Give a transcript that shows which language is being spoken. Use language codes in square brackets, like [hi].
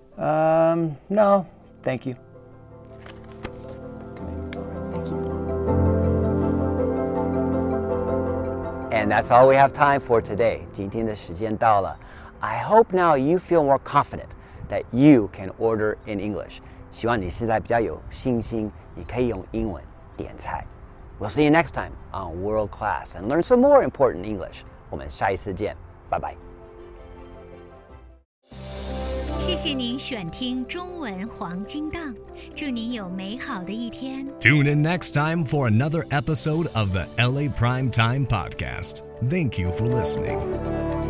[en] No, thank you. And that's all we have time for today. [zh] 今天的时间到了。 [en] I hope now you feel more confident that you can order in English. [zh] 希望你现在比较有信心，你可以用英文点菜。 [en] We'll see you next time on World Class and learn some more important English. [zh] 我们下一次见，拜拜。谢谢您选听中文黄金档，祝您有美好的一天。 [en] Tune in next time for another episode of the LA Prime Time Podcast. Thank you for listening.